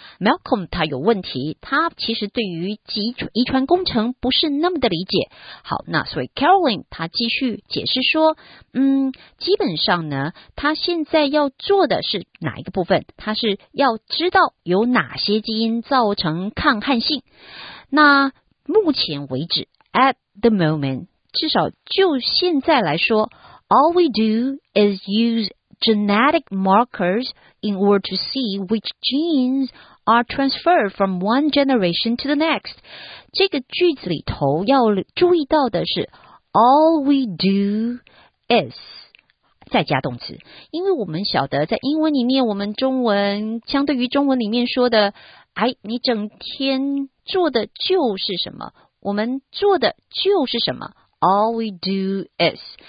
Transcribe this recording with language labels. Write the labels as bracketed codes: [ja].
[zh] Malcolm 他有问题，他其实对于遗传工程不是那么的理解。好，那所以 Caroline 他继续解释说，基本上呢他现在要做的是哪一个部分，他是要知道有哪些基因造成抗旱性。那目前为止 [en] at the moment， [zh] 至少就现在来说， [en] all we do is use genetic markers in order to see which genes are transferred from one generation to the next。 [zh] 这个句子里头要注意到的是 [en] all we do is [zh] 再加动词，因为我们晓得在英文里面，我们中文相对于中文里面说的，哎，你整天做的就是什么，我们做的就是什么， all we do is，